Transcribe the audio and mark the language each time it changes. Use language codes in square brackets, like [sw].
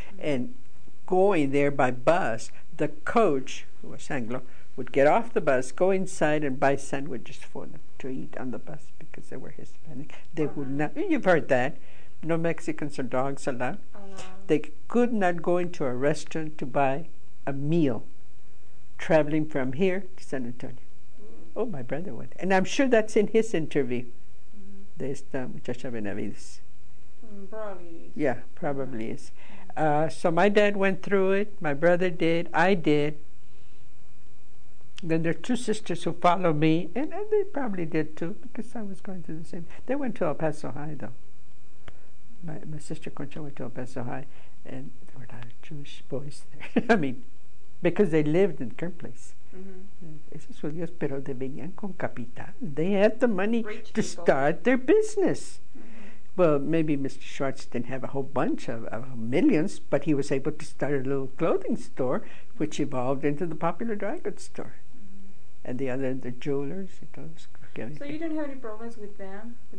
[en] And going there by bus, the coach, who was Anglo, would get off the bus, go inside, and buy sandwiches for them to eat on the bus because they were Hispanic. They would not. You've heard that. No Mexicans or dogs allowed. They could not go into a restaurant to buy a meal traveling from here to San Antonio. Oh, my brother went. And I'm sure that's in his interview. [es] De esta muchacha Benavides. [en] Probably is. Yeah, probably is. So my dad went through it. My brother did. I did. Then there are two sisters who follow me. And they probably did too, because I was going through the same. They went to El Paso High, though. My sister Concha went to El Paso High, and there were a lot of Jewish boys there. I mean, because they lived in Kern Place. [es] Esos judíos, pero de venían con capital. [en] They had the money to start their business. Well, maybe Mr. Schwartz didn't have a whole bunch of millions, but he was able to start a little clothing store, which evolved into the popular dry goods store. And the other, the jewelers. So you didn't have any problems with them?